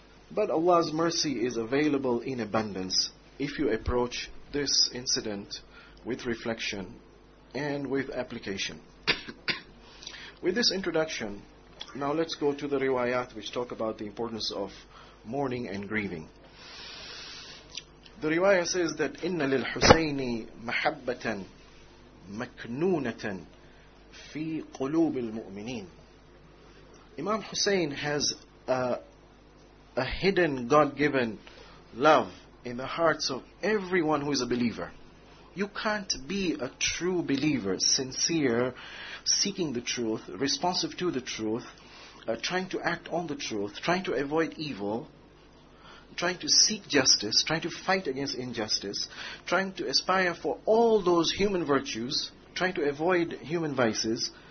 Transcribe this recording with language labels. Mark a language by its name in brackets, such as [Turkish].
[English] But Allah's mercy is available in abundance if you approach this incident with reflection and with application. With this introduction, now let's go to the riwayat which talk about the importance of mourning and grieving. The riwayat says that [Arabic] إِنَّ لِلْحُسَيْنِ مَحَبَّةً مَكْنُونَةً فِي قُلُوبِ الْمُؤْمِنِينَ. [English] Imam Hussein has a hidden God-given love in the hearts of everyone who is a believer. You can't be a true believer, sincere, seeking the truth, responsive to the truth, trying to act on the truth, trying to avoid evil, trying to seek justice, trying to fight against injustice, trying to aspire for all those human virtues, trying to avoid human vices.